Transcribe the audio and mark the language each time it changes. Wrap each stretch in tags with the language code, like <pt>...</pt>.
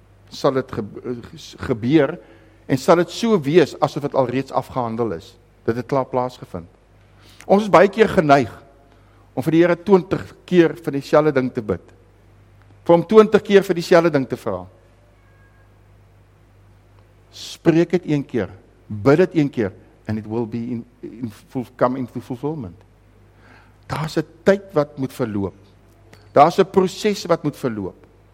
<af>Sal het gebeur, en sal het so wees, asof het alreeds afgehandel is. Dit het klaar plaasgevind. Ons is baie keer geneig, om vir die Here 20 keer vir dieselfde ding te bid. Vir hom 20 keer vir dieselfde ding te vra. Spreek het een keer, bid het een keer,</af> <en>and it will be come into fulfillment.</en> <af>Daar's 'n tyd wat moet verloop. Daar's 'n proses wat moet verloop.</af>